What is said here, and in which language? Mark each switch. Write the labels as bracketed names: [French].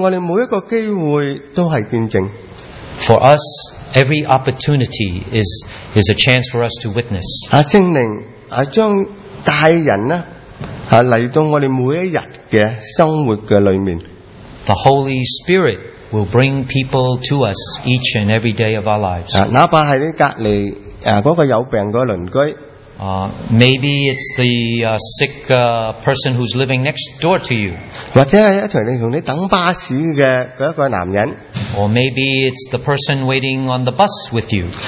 [English] for us, every opportunity is a chance for us to witness. [Chinese] 啊, 圣灵, 啊, 将大人呢, 啊, [English] the Holy Spirit will bring people to us each and every day of our lives. [Chinese] 啊, 哪怕是你隔离, 啊, 那个有病的邻居, [English] maybe it's the sick person who's living next door to you. [Chinese] 或者是一同你等巴士的一个男人, [English] or maybe it's the person waiting on the bus with you.